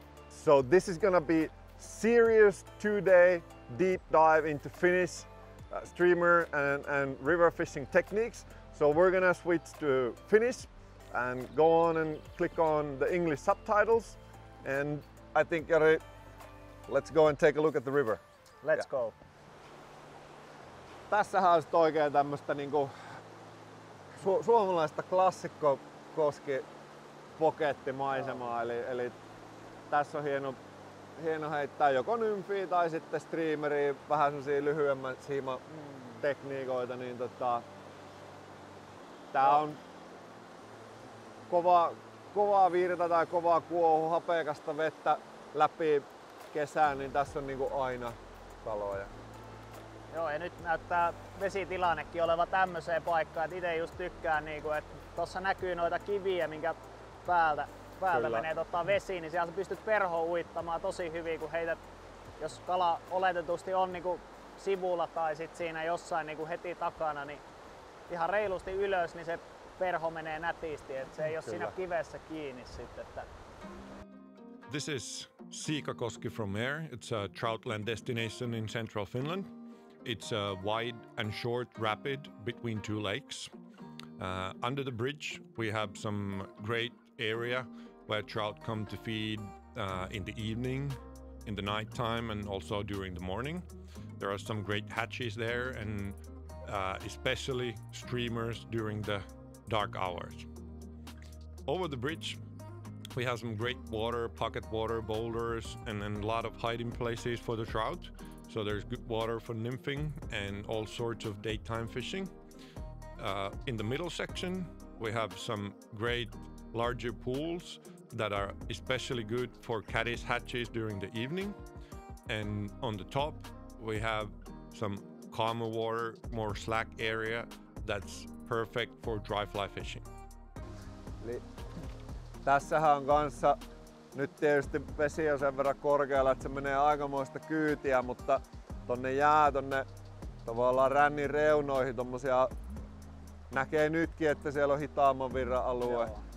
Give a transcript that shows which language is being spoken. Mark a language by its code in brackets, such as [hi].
[en] So this is gonna be serious 2 day deep dive into Finnish streamer and river fishing techniques. So we're gonna switch to Finnish and go on and click on the English subtitles. And I think, Jari, let's go and take a look at the river. Let's go. [fi] Tässähän on sitten oikein tämmöstä niinku suomalaista klassikko koski pokettimaisemaa, eli tässä on hieno heittää joko nymfiä tai sitten streameriä, vähän semmosia lyhyemmän siima tekniikoita, niin tää on kovaa virta tai kovaa kuohu, hapeikasta vettä läpi kesään, niin tässä on niinku aina kaloja. Joo, ja nyt näyttää vesitilannekin olevan tämmöiseen paikkaan, että itse just tykkään, niin kuin, että tuossa näkyy noita kiviä, minkä päältä menee vesi, niin siellä pystyt perho uittamaan tosi hyvin, kun heität, jos kala oletetusti on niin kuin sivulla tai sit siinä jossain niin kuin heti takana, niin ihan reilusti ylös, niin se perho menee nätisti, että se ei ole siinä kivessä kiinni sitten. Että [en] this is Siikakoski from air. It's a troutland destination in central Finland. It's a wide and short rapid between two lakes. Under the bridge, we have some great area where trout come to feed in the evening, in the nighttime, and also during the morning. There are some great hatches there, and especially streamers during the dark hours. Over the bridge, we have some great water, pocket water, boulders, and then a lot of hiding places for the trout. So there's good water for nymphing and all sorts of daytime fishing. In the middle section, we have some great larger pools that are especially good for caddis hatches during the evening. And on the top, we have some calmer water, more slack area that's perfect for dry fly fishing. [fi] Tässähän on kanssa nyt tietysti vesi on sen verran korkealla, että se menee aikamoista kyytiä, mutta tonne jää tonne tavallaan rännin reunoihin tommosia, näkee nytkin, että siellä on hitaamman virran alue. Joo.